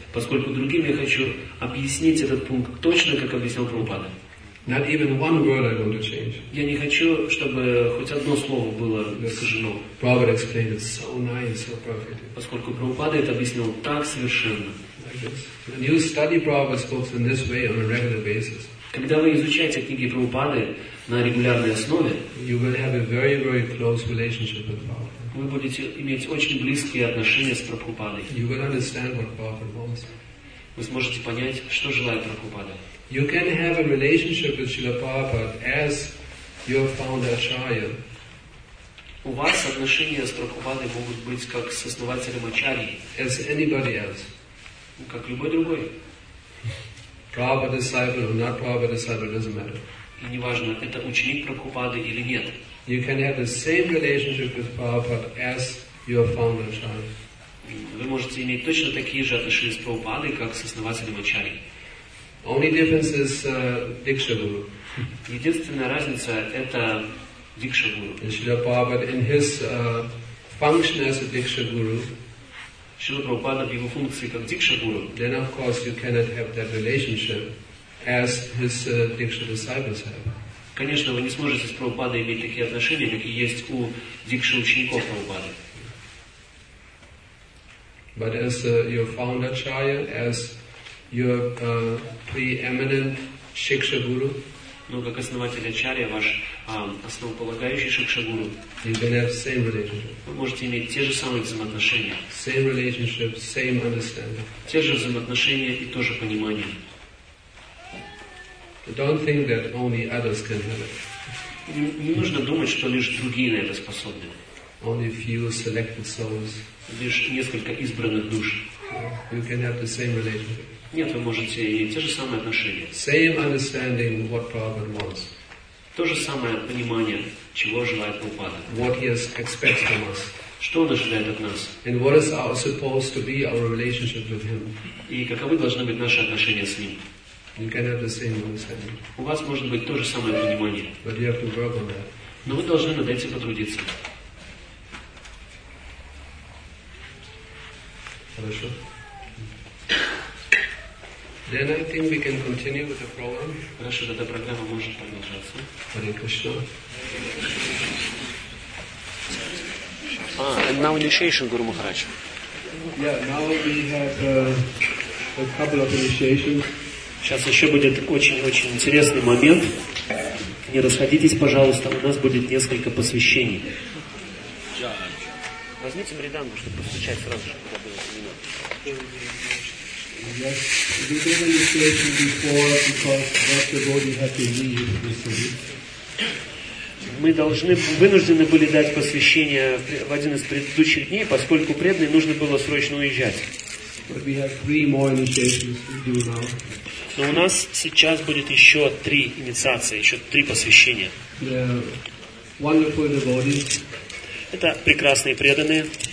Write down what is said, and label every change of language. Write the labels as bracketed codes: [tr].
[ru] Поскольку другим я хочу объяснить этот пункт точно, как объяснил Прабхупада. [en] Not even one word I want to change. [ru] Я не хочу, чтобы хоть одно слово было искажено. [en] Prabhupada explained it so nice, so perfectly. [ru] Поскольку Прабхупада это объяснил так совершенно. [en] Like this. When you study Prabhupada's books in this way on a regular basis. [ru] Когда вы изучаете книги Прабхупады на регулярной основе, [en] you will have a very, very close relationship with Prabhupada. [ru] Вы будете иметь очень близкие отношения с Прабхупадой. [en] You will understand what Prabhupada wants. [ru] Вы сможете понять, что желает Прабхупада. [en] You can have a relationship with Srila Prabhupada as your founder acharya. [ru] У вас отношения с Прабхупадой могут быть как с основателем Ачарьи. [en] As anybody else. [ru] Как любой другой. [en] Prabhupada disciple or not Prabhupada disciple, it doesn't matter. [ru] И неважно, это ученик Прабхупады или нет. [en] You can have the same relationship with Prabhupada as your founder acharya. [ru] Вы можете иметь точно такие же отношения с Прабхупадой, как с основателем Ачарьи. [en] Only difference is Diksha Guru. [ru] Единственная разница это Diksha Guru. [en] Srila Prabhupada in his function as a Diksha Guru. [ru] Srila Prabhupada в его функции как Diksha Guru. [en] Then of course you cannot have that relationship as his Diksha disciples have. [ru] Конечно, вы не сможете с Прабхупадой иметь такие отношения, какие есть у Дикши учеников Прабхупады. [en] But as your founder acharya, as your preeminent shiksha guru, [ru] но как основатель ачарья, ваш основополагающий шикша гуру, [en] you can have same relationship. [ru] Вы можете иметь те же самые взаимоотношения. [en] Same relationship, same understanding. [ru] Те же взаимоотношения и то же понимание. [en] But don't think that only others can have it. [ru] Не нужно думать, что лишь другие на это способны. [en] Only few selected souls. [ru] Лишь несколько избранных душ. [en] You can have the same relationship. [ru] Нет, вы можете иметь те же самые отношения. [en] Same understanding of what Prabhupada wants. [ru] То же самое понимание, чего желает Прабхупада. [en] What he expects from us. [ru] Что он ожидает от нас? [en] And what is supposed to be our relationship with him? [ru] И каковы должны быть наши отношения с ним? [en] You can have the same understanding. [ru] У вас может быть то же самое понимание. [en] But you have to work on that. [ru] Но вы должны над этим потрудиться. Хорошо. [en] Then I think we can continue with the program. [ru] Хорошо, тогда программа может продолжаться. [en] Hare Krishna. And now initiation, Guru Maharaj. Yeah, now we have a couple of initiations. [ru] Сейчас еще будет очень-очень интересный момент. Не расходитесь, пожалуйста, у нас будет несколько посвящений. Возьмите мриданку, чтобы постучать сразу же. [en] Yes, we did initiation before because Lord Devotee had to leave recently. [ru] Мы должны вынуждены были дать посвящение в один из предыдущих дней, поскольку преданный нужно было срочно уезжать. [en] But we have three more initiations to do now. [ru] Но у нас сейчас будет еще три инициации, еще три посвящения. [en] The wonderful devotees. [ru] Это прекрасные преданные.